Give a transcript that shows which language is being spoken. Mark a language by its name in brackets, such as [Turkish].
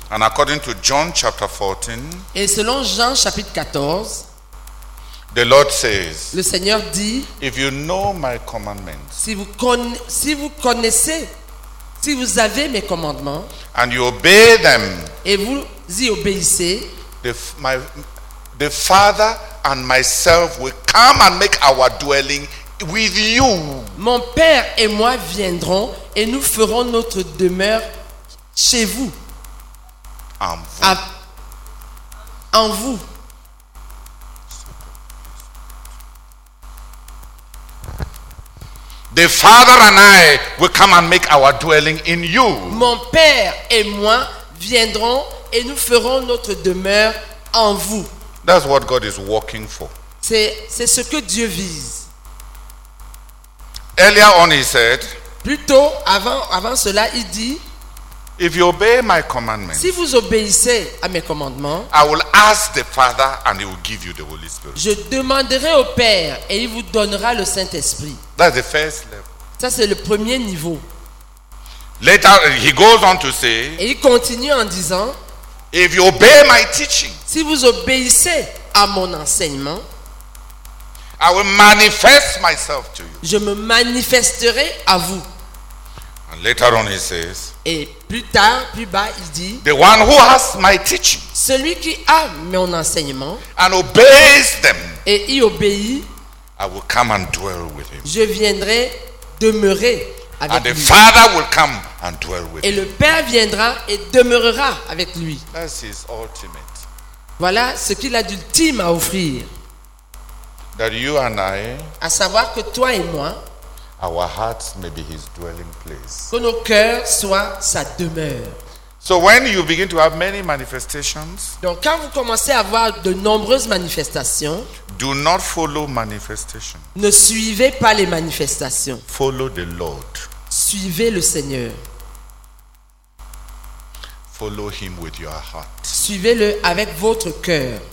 [English] And according to John chapter 14, [French] et selon Jean chapitre 14, [English] the Lord says, [French] le Seigneur dit, [English] if you know my commandments, [French] si vous connaissez, si vous avez mes commandements, [English] and you obey them, [French] et vous y obéissez, [English] the Father and myself will come and make our dwelling with you. [French] Mon Père et moi viendrons et nous ferons notre demeure chez vous. En vous. En vous. [English] The Father and I will come and make our dwelling in you. [French] Mon Père et moi viendrons et nous ferons notre demeure en vous. [English] That's what God is working for. [French] C'est ce que Dieu vise. [English] Earlier on he said, [French] plutôt avant cela il dit, [English] if you obey my commandments, [French] si vous obéissez à mes commandements, [English] I will ask the Father and he will give you the Holy Spirit. [French] Je demanderai au Père et il vous donnera le Saint-Esprit. [English] That's the first level. [French] Ça c'est le premier niveau. [English] Later he goes on to say, [French] et il continue en disant, [English] if you obey my teaching, [French] si vous obéissez à mon enseignement, [English] I will manifest myself to you. [French] Je me manifesterai à vous. [English] And later on he says, [French] et plus tard, plus bas, il dit, [English] the one who has my teaching, [French] celui qui a mon enseignement, [English] and obeys them, [French] et y obéit, [English] I will come and dwell with him. [French] Je viendrai demeurer avec [English] and [French] lui. [English] The Father will come and dwell with [French] et [English] him. [French] Le Père viendra et demeurera avec lui. [English] That's his ultimate. [French] Voilà ce qu'il a d'ultime à offrir. [English] That you and I, [French] à savoir que toi et moi, [English] our hearts may be his dwelling place. [French] Que nos cœurs soient sa demeure. [English] So when you begin to have many manifestations, [French] donc quand vous commencez à avoir de nombreuses manifestations, [English] do not follow manifestations. [French] Ne suivez pas les manifestations. [English] Follow the Lord. [French] Suivez le Seigneur. [English] Follow him with your heart. [French] Suivez-le avec votre cœur.